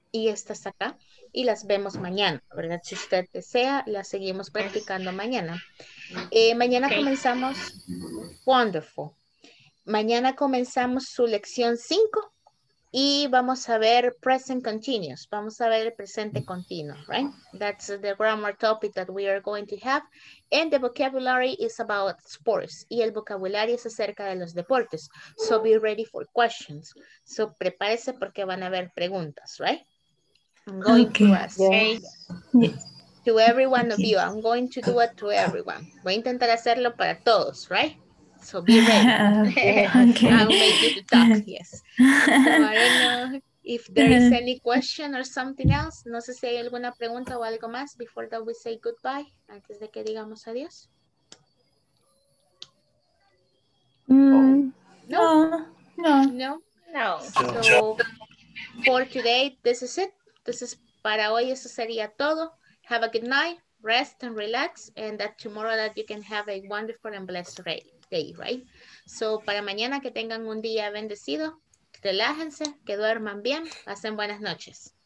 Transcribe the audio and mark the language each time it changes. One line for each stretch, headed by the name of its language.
Spanish: Y estas acá. Y las vemos mañana, ¿verdad? Si usted desea, las seguimos practicando mañana. Mañana comenzamos.
English: Wonderful.
Spanish: Mañana comenzamos su lección 5 y vamos a ver present continuous. Vamos a ver el presente continuo, right?
English: That's the grammar topic that we are going to have. And the vocabulary is about sports.
Spanish: Y el vocabulario es acerca de los deportes.
English: So be ready for questions. So
Spanish: prepárese porque van a haber preguntas,
English: right? I'm going to ask to every one of you. I'm going to do it to everyone.
Spanish: Voy a intentar hacerlo para todos,
English: right? So be ready. Okay. I'll make you to talk, yes. So I don't know if there is any question or something else.
Spanish: No sé si hay alguna pregunta o algo más
English: before that we say goodbye,
Spanish: antes de que digamos adiós. No.
English: So for today, this is it. This is
Spanish: para hoy, eso sería todo.
English: Have a good night, rest and relax, and that tomorrow that you can have a wonderful and blessed day, right?
Spanish: So para mañana que tengan un día bendecido, relájense, que duerman bien, pasen buenas noches.